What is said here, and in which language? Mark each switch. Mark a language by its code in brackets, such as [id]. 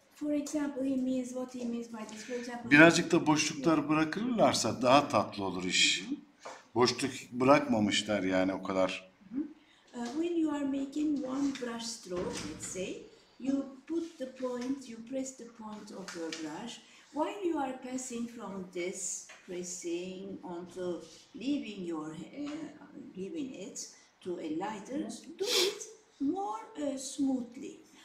[en] For example, he means what he means by this. For example, [tr] birazcık da boşluklar bırakırlarsa daha tatlı olur iş. Boşluk bırakmamışlar yani o kadar. [en] When you are making one brush stroke, let's say, you put the point, you press the point of your brush. While you are passing from this pressing onto leaving your leaving it to a lighter, do it more smoothly.